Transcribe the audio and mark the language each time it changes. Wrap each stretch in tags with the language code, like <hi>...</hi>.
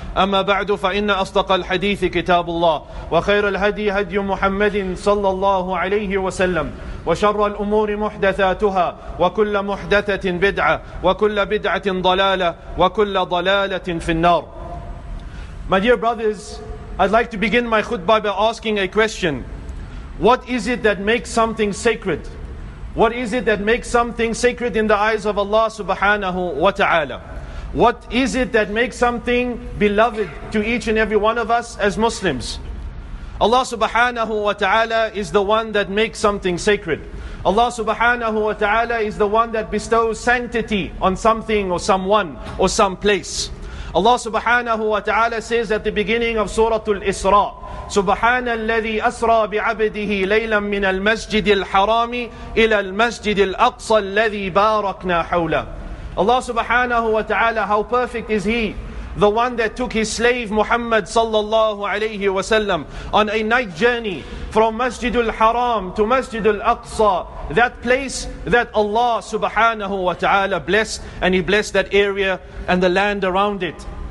<ar>أما بعد فإن أصدق الحديث كتاب الله وخير الهدي هدي محمد صلى الله عليه وسلم وشر الأمور محدثاتها وكل محدثة بدعة وكل بدعة ضلالة وكل ضلالة في النار.</ar> <en>My dear brothers, I'd like to begin my khutbah by asking a question. What is it that makes something sacred? What is it that makes something sacred in the eyes of Allah subhanahu wa ta'ala? What is it that makes something beloved to each and every one of us as Muslims? Allah subhanahu wa ta'ala is the one that makes something sacred. Allah subhanahu wa ta'ala is the one that bestows sanctity on something or someone or some place. Allah subhanahu wa ta'ala says at the beginning of Surah Al-Isra,</en> <ar>سبحان الذي أسرى بعبده ليلا من المسجد الحرام إلى المسجد الأقصى الذي باركنا حوله.</ar> <en>Allah subhanahu wa ta'ala, how perfect is He, the one that took His slave Muhammad sallallahu alayhi wa sallam on a night journey from Masjid al-Haram to Masjid al-Aqsa, that place that Allah subhanahu wa ta'ala blessed, and He blessed that area and the land around it.</en>